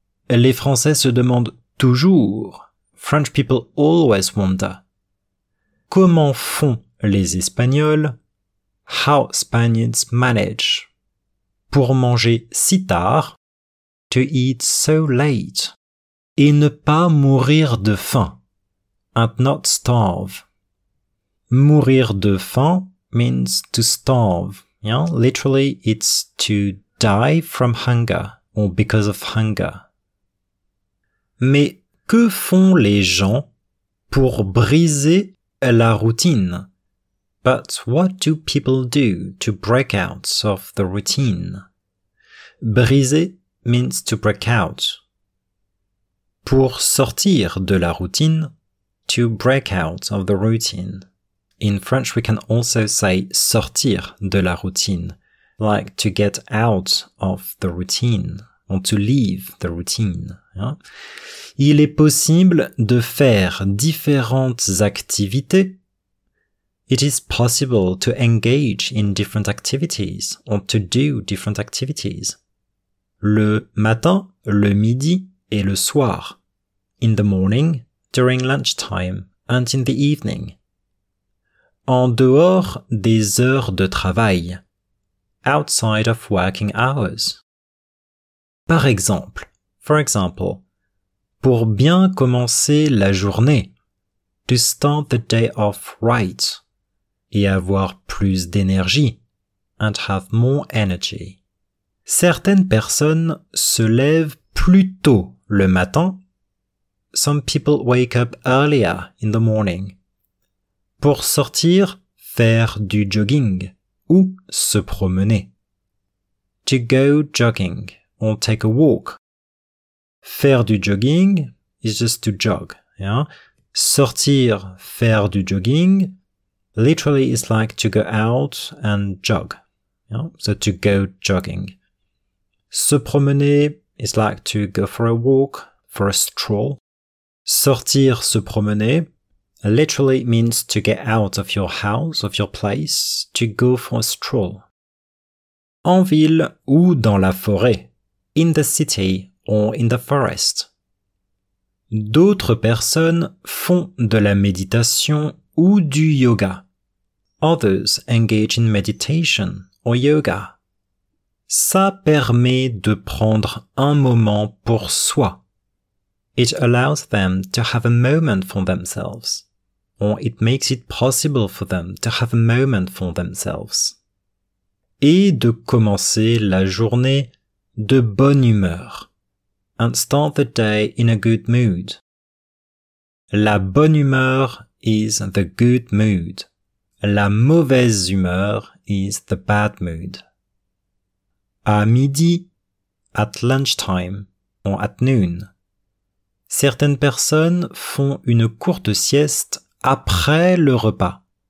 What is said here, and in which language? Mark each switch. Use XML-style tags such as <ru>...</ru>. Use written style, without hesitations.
<fr>Les Français se demandent toujours.</fr> <en>French people always wonder.</en> <fr>Comment font les Espagnols?</fr> <en>How Spaniards manage.</en> <fr>Pour manger si tard.</fr> <en>To eat so late.</en> <fr>Et ne pas mourir de faim.</fr> <en>And not starve.</en> <fr>Mourir de faim</fr> <en>means to starve. Yeah? Literally, it's to die from hunger or because of hunger.</en> <fr>Mais que font les gens pour briser la routine?</fr> <en>But what do people do to break out of the routine? Briser means to break out.</en> <fr>Pour sortir de la routine,</fr> <en>to break out of the routine. In French, we can also say</en> <fr>sortir de la routine,</fr> <en>like to get out of the routine, or to leave the routine. Yeah?</en> <fr>Il est possible de faire différentes activités.</fr> <en>It is possible to engage in different activities, or to do different activities.</en> <fr>Le matin, le midi et le soir.</fr> <en>In the morning, during lunchtime, and in the evening.</en> <fr>En dehors des heures de travail.</fr> <en>Outside of working hours.</en> <fr>Par exemple,</fr> <en>for example,</en> <fr>pour bien commencer la journée,</fr> <en>to start the day off right,</en> <fr>et avoir plus d'énergie,</fr> <en>and have more energy.</en> <fr>Certaines personnes se lèvent plus tôt le matin.</fr> <en>Some people wake up earlier in the morning.</en> <fr>Pour sortir, faire du jogging ou se promener.</fr> <en>To go jogging or take a walk.</en> <fr>Faire du jogging</fr> <en>is just to jog. Yeah?</en> <fr>Sortir, faire du jogging</fr> <en>literally is like to go out and jog. So to go jogging.</en> <fr>Se promener</fr> <en>is like to go for a walk, for a stroll.</en> <fr>Sortir, se promener,</fr> <en>literally means to get out of your house, of your place, to go for a stroll.</en> <fr>En ville ou dans la forêt,</fr> <en>in the city or in the forest.</en> <fr>D'autres personnes font de la méditation ou du yoga.</fr> <en>Others engage in meditation or yoga.</en> <fr>Ça permet de prendre un moment pour soi.</fr> <en>It allows them to have a moment for themselves. Or it makes it possible for them to have a moment for themselves.</en> <fr>Et de commencer la journée de bonne humeur.</fr> <en>And start the day in a good mood.</en> <fr>La bonne humeur</fr> <en>is the good mood.</en> <fr>La mauvaise humeur</fr> <en>is the bad mood.</en> <fr>À midi,</fr> <en>at lunchtime, or at noon.</en> <fr>Certaines personnes font une courte sieste après le repas.</fr>